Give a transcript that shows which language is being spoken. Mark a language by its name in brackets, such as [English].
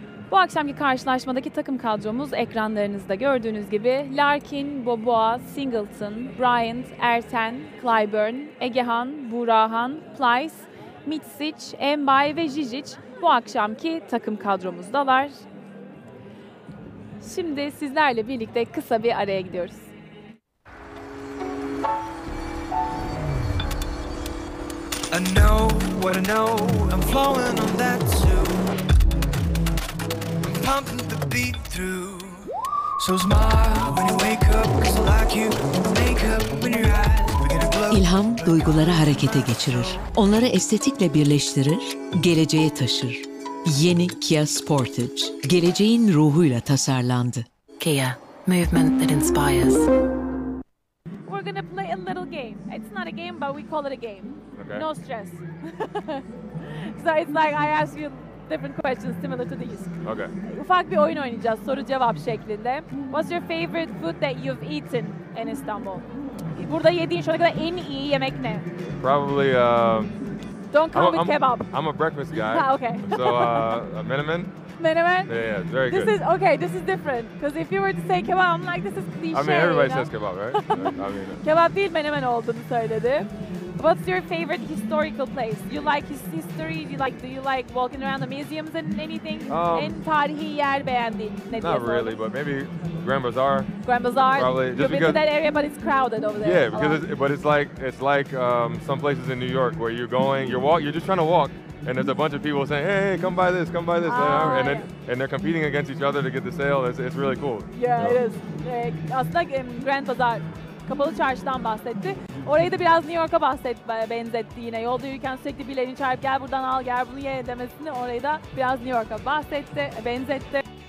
[Turkish] Bu akşamki karşılaşmadaki takım kadromuz ekranlarınızda gördüğünüz gibi Larkin, Boboa, Singleton, Bryant, Erten, Clyburn, Egehan, Burahan, Plyce, Mitsic, Mbay ve Zizic bu akşamki takım kadromuzdalar. Şimdi sizlerle birlikte kısa bir araya gidiyoruz. [English] I know what I know, I'm flowing on that too. I'm pumping the beat through. So smile when you wake up, cause I like you. Make up when your eyes. [Turkish] İlham duyguları harekete geçirir. Onları estetikle birleştirir, geleceğe taşır. Yeni Kia Sportage, geleceğin ruhuyla tasarlandı. [English] Kia, movement that inspires. We're gonna play a little game. It's not a game, but we call it a game. Okay. No stress. So it's like I ask you different questions similar to these. Okay. [Turkish] Ufak bir oyun oynayacağız, soru-cevap şeklinde. [English] What's your favorite food that you've eaten in Istanbul? [Turkish] Burada yediğin şu ana kadar en iyi yemek ne? [English] Probably. Don't come with kebab. I'm a breakfast guy. Okay. So menemen. Menemen? Yeah, it's very this good. This is okay. This is different because if you were to say kebab, I'm like, this is cliche. I mean, everybody you know? Says kebab, right? I mean, [Turkish] kebab değil menemen olduğunu söyledi. [English] What's your favorite historical place? You like history? Do you like walking around the museums and anything? [Turkish] En tarihi yer beğendiğin ne diyorsun? [English] Not really, but maybe Grand Bazaar. Grand Bazaar? Probably. You've been to that area, but it's crowded over there. Yeah, because it's like some places in New York where you're going, you're just trying to walk, and there's a bunch of people saying, hey, come buy this, and they're competing against each other to get the sale. It's really cool. Yeah, it is. [Turkish] Aslında [English] Grand Bazaar. [Turkish] Kapalı Çarşı'dan bahsetti. Orayı da biraz New York'a benzetti yine. Yolda yürürken sürekli birilerini çağırıp gel buradan al, gel bunu ye demesini. Orayı da biraz New York'a benzetti.